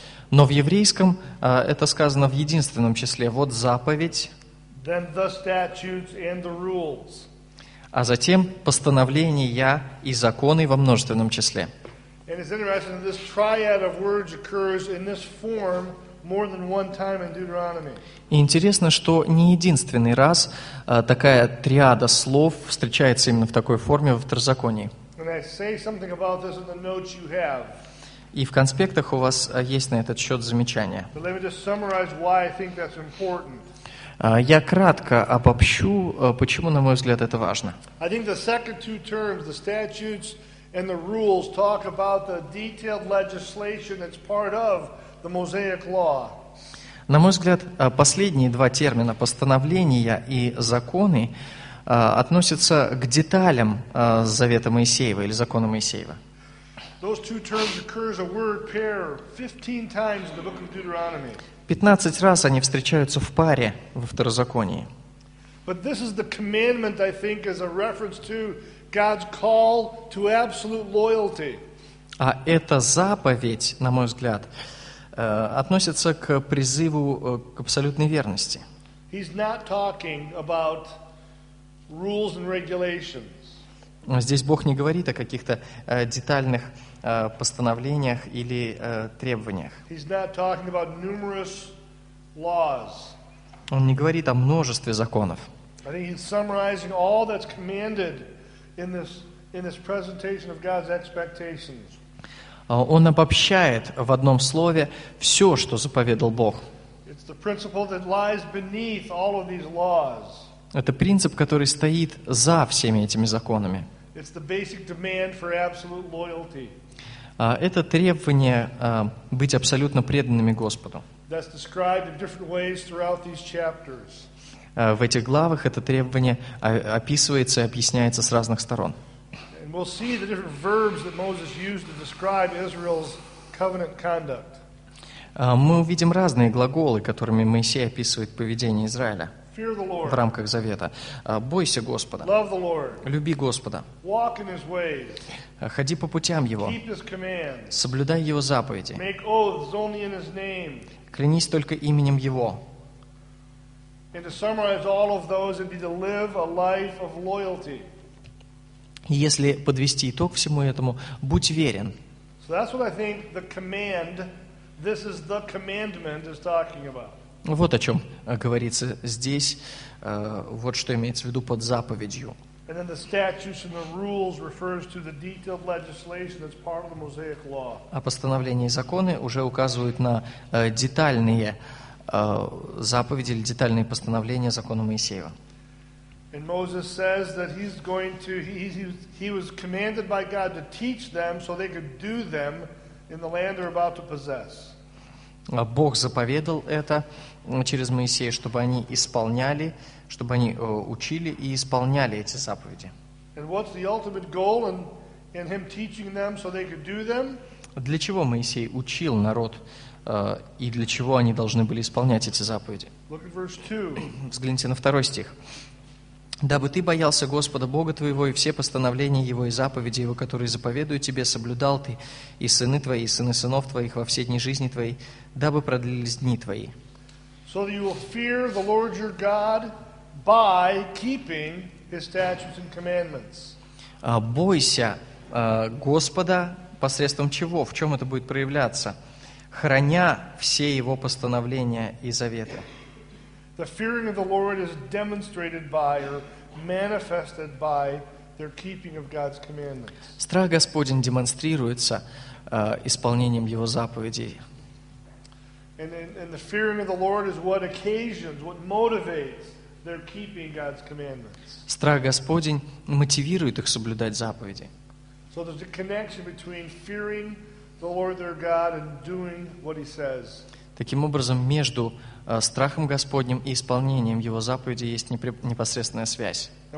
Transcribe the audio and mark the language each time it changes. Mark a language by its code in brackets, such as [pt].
[ru] Но в еврейском это сказано в единственном числе «вот заповедь», а затем «постановления и законы во множественном числе». И это интересно, что эта триада слов происходит в этой форме [en] more than one time in Deuteronomy. [ru] И интересно, что не единственный раз такая триада слов встречается именно в такой форме во Второзаконии. [en] And I say something about this in the notes you have. [ru] И в конспектах у вас есть на этот счет замечания. [en] But let me just summarize why I think that's important. [ru] Я кратко обобщу, почему, на мой взгляд, это важно. [en] I think the second two terms, the statutes and the rules, talk about the detailed legislation that's part of the Mosaic Law. [ru] На мой взгляд, последние два термина, постановления и законы, относятся к деталям Завета Моисеева или Закона Моисеева. [en] Those two terms occur as a word pair 15 times in the book of Deuteronomy. [ru] 15 раз они встречаются в паре во Второзаконии. [en] But this is the commandment, I think, as a reference to God's call to absolute loyalty. [ru] А эта заповедь, на мой взгляд, относится к призыву к абсолютной верности. [en] He's not talking about rules and regulations. [ru] Здесь Бог не говорит о каких-то детальных постановлениях или требованиях. [en] He's not talking about numerous laws. [ru] Он не говорит о множестве законов. [en] I think he's summarizing all that's commanded in this in this presentation of God's expectations. [ru] Он обобщает в одном слове все, что заповедал Бог. [en] It's the principle that lies beneath all of these laws. [ru] Это принцип, который стоит за всеми этими законами. [en] It's the basic demand for absolute loyalty. [ru] Это требование быть абсолютно преданными Господу. [en] That's described in different ways throughout these chapters. [ru] В этих главах это требование описывается и объясняется с разных сторон. [en] And we'll see the different verbs that Moses used to describe Israel's covenant conduct. [ru] Мы увидим разные глаголы, которыми Моисей описывает поведение Израиля в рамках Завета. Бойся Господа. [en] Love the Lord. [ru] Люби Господа. [en] Walk in His ways. [ru] Ходи по путям Его. [en] Keep His commands. [ru] Соблюдай Его заповеди. [en] Make oaths only in His name. [ru] Клянись только именем Его. [en] And to summarize all of those, it'd be to live a life of loyalty. [ru] И если подвести итог всему этому, будь верен. [en] So that's what I think the command, this is the commandment is talking about. [ru] Вот о чем говорится здесь, вот что имеется в виду под заповедью. [en] And then the statutes and the rules refers to the detailed legislation that's part of the Mosaic law. [ru] А постановления и законы уже указывают на детальные заповеди или детальные постановления закона Моисеева. [en] And Moses says that he's going to he was commanded by God to teach them so they could do them in the land they're about to possess. [ru] Бог заповедал это через Моисея, чтобы они исполняли, чтобы они учили и исполняли эти заповеди. [en] And what's the ultimate goal in him teaching them so they could do them? [ru] Для чего Моисей учил народ и для чего они должны были исполнять эти заповеди? [en] Look at verse 2. [ru] Взгляните на второй стих. «Дабы ты боялся Господа Бога твоего, и все постановления Его и заповеди Его, которые заповедую тебе, соблюдал ты, и сыны твои, и сыны сынов твоих во все дни жизни твоей, дабы продлились дни твои». [en] So you will fear the Lord your God by keeping His statutes and commandments. [ru] Бойся Господа посредством чего? В чем это будет проявляться? Храня все Его постановления и заветы. [en] The fearing of the Lord is demonstrated by or manifested by their keeping of God's commandments. [ru] Страх Господень демонстрируется исполнением Его заповедей. [en] And the fearing of the Lord is what occasions, what motivates their keeping God's commandments. [ru] Страх Господень мотивирует их соблюдать заповеди. [en] So there's a connection between fearing the Lord their God and doing what He says. [ru] Таким образом, между страхом Господним и исполнением Его заповеди есть непосредственная связь.